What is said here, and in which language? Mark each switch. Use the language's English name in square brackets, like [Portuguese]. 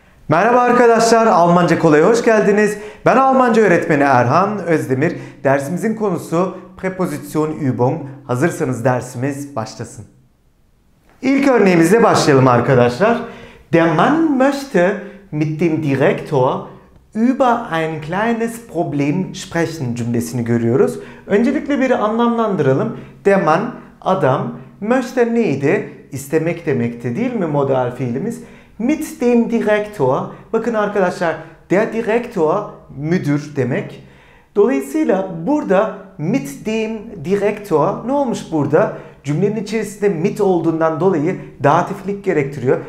[Turkish] Merhaba arkadaşlar, Almanca Kolay'a hoş geldiniz. Ben Almanca öğretmeni Erhan Özdemir. Dersimizin konusu preposition Übung. Hazırsanız dersimiz başlasın. İlk örneğimizle başlayalım arkadaşlar. [German] Der Mann möchte mit dem Direktor über ein kleines Problem sprechen [Turkish] cümlesini görüyoruz. Öncelikle bir anlamlandıralım. Der Mann, adam, möchte neydi? İstemek demekti değil mi modal fiilimiz? Mit dem Direktor, bakın arkadaşlar, der Direktor, müdür demek. Dolayısıyla burada mit dem Direktor, ne olmuş burada? Cümlenin içerisinde mit olduğundan dolayı datiflik gerektiriyor.